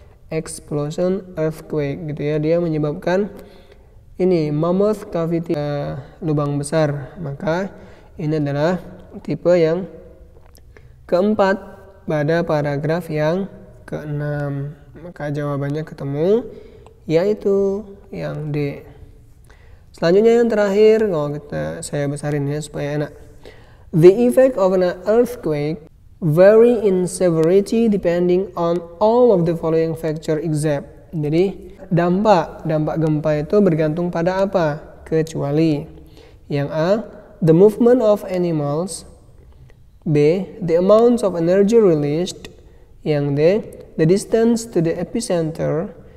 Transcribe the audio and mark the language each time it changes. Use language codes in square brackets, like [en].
[en] Explosion earthquake [id] gitu ya. Dia menyebabkan ini [en] mammoth cavity, [id] lubang besar. Maka ini adalah tipe yang keempat pada paragraf yang keenam. Maka jawabannya ketemu, yaitu yang D. Selanjutnya yang terakhir, kalau saya besarin ya supaya enak. [en] The effect of an earthquake vary in severity depending on all of the following factor except. [id] Jadi dampak gempa itu bergantung pada apa? Kecuali yang A, [en] the movement of animals. B, the amount of energy released. Yang D, the distance to the epicenter.